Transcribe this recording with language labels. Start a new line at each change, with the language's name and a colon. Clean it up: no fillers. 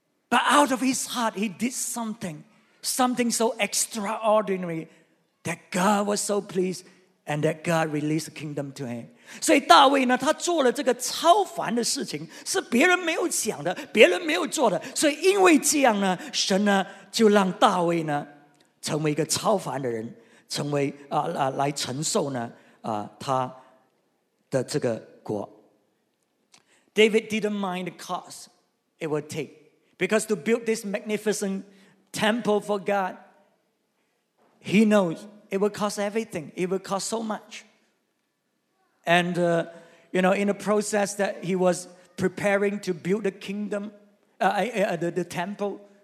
English: But out of his heart, he did something. Something so extraordinary that God was so pleased and that God released the kingdom to him.
Chinese: 所以大卫呢，他做了这个超凡的事情，是别人没有想的，别人没有做的。所以因为这样呢，神呢就让大卫呢成为一个超凡的人，成为来承受呢他的这个国。
English: David didn't mind the cost it would take, because to build this magnificent temple for God, he knows it will cost everything. It will cost so much. And, you know, in the process that he was preparing to build the kingdom, the temple,